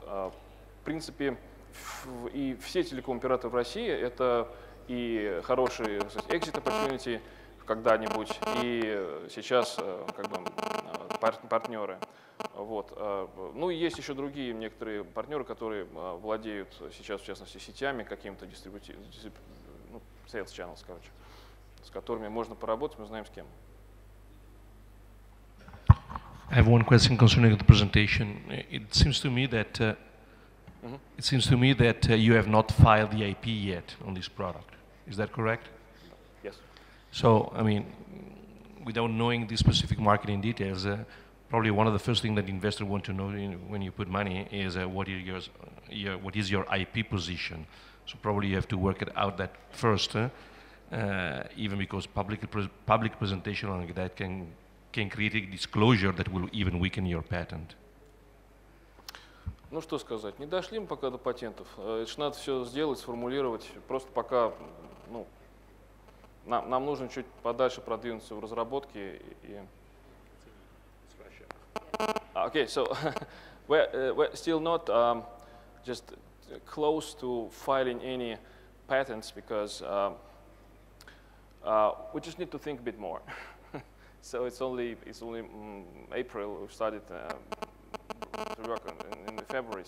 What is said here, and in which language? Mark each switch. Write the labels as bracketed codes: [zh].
[ru] В принципе, и все телеком-операторы в России — это и хорошие [en] exit opportunity [ru] когда-нибудь, и сейчас как бы партнеры. Вот. Ну и есть еще другие некоторые партнеры, которые владеют сейчас, в частности, сетями каким-то дистрибутивным, [en] sales channels, [ru] короче, с которыми можно поработать, мы знаем с кем. [en] I have one question concerning the presentation. It seems to me that it seems to me that you have not filed the IP yet on this product. Is that correct? Yes. So, I mean, without knowing the specific marketing details, probably one of the first things that investors want to know when you put money is what is your IP position. So probably you have to work it out that first, even because public presentation like that can create a disclosure that will even weaken your patent. [ru] Ну что сказать, не дошли мы пока до патентов. Это же надо все сделать, сформулировать. Просто пока, ну, нам нужно чуть подальше продвинуться в разработке и. [en] Okay, so we're still not just close to filing any patents because we just need to think a bit more. So it's only April. We started to work in February.